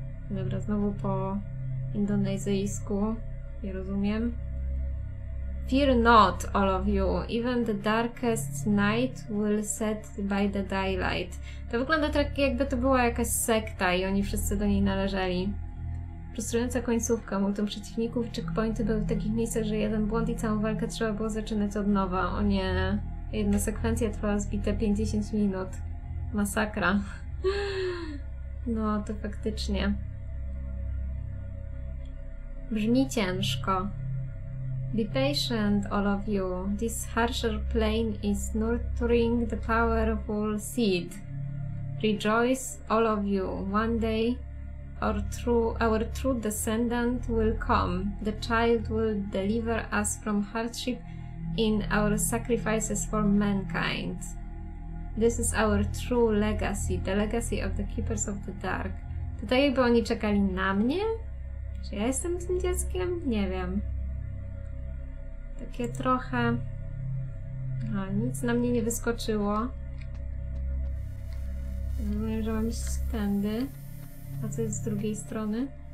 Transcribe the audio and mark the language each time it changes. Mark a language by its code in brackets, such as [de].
[pl] Dobra, znowu po indonezyjsku. Nie rozumiem. [en] Fear not, all of you. Even the darkest night will set by the daylight. [pl] To wygląda tak, jakby to była jakaś sekta i oni wszyscy do niej należeli. Frustrująca końcówka. Multum przeciwników i checkpointy były w takich miejscach, że jeden błąd i całą walkę trzeba było zaczynać od nowa. O nie. Jedna sekwencja trwała zbite 50 minut. Masakra. No, to faktycznie. Brzmi ciężko. [en] Be patient, all of you. This harsher plane is nurturing the powerful seed. Rejoice, all of you. One day our true descendant will come. The child will deliver us from hardship in our sacrifices for mankind. This is our true legacy, the legacy of the Keepers of the Dark. [pl] Tutaj jakby oni czekali na mnie? Czy ja jestem tym dzieckiem? Nie wiem. Takie trochę... No, nic na mnie nie wyskoczyło. Rozumiem, że mam iść tędy. A co jest z drugiej strony?